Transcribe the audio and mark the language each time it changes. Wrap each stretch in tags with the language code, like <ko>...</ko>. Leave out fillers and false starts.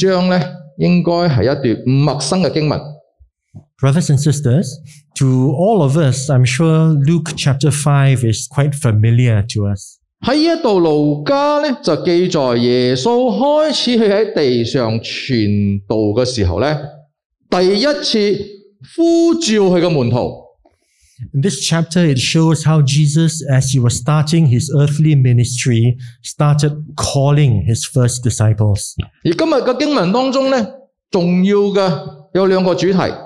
<zh>亲爱的弟兄姊妹，对于我们来讲，路加福音5章呢，应该是一段不陌生的经文。</zh> <en>Brothers and sisters, to all of us, I'm sure Luke chapter 5 is quite familiar to us.</en> <zh>在这里路加就记载耶稣开始在地上传道的时候，第一次呼召他的门徒。</zh> <en>In this chapter, it shows how Jesus, as he was starting his earthly ministry, started calling his first disciples.</en> <zh>而今天的经文当中，重要的有两个主题。</zh>